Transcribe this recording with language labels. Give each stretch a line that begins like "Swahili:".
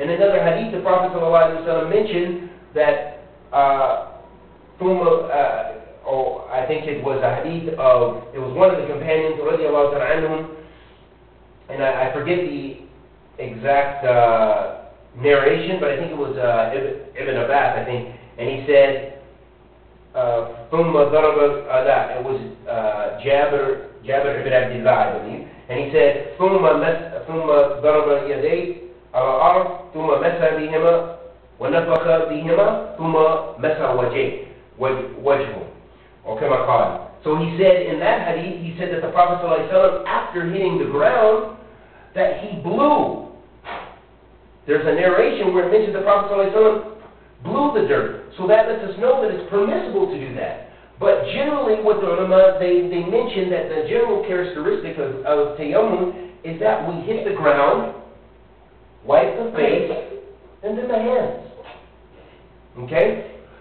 English: In another hadith, the Prophet ﷺ mentioned that, I think it was a hadith of, it was one of the companions, radiallahu ta'ala anhum, and I forget the exact narration, but I think it was Ibn Abbas, I think, and he said,
Arabic: ثُمَّ ضَرَبَ
English: that it was Jabir ibn Abdullah, I believe. And he said,
Arabic: ثُمَّ ضَرَبَ يَدَيْهِ الْأَرْضَ ثُمَّ مَسَى بِهِمَا وَنَفَخَ بِهِمَا ثُمَّ مَسَى وَجْهُ.
English: Okay, my God. So he said in that hadith, he said that the Prophet ﷺ, after hitting the ground, that he blew. There's a narration where it mentions the Prophet ﷺ blew the dirt. So that lets us know that it's permissible to do that. But generally, what the ulama, they mention that the general characteristic of tayammum is that we hit the ground, wipe the face, and then the hands. Okay?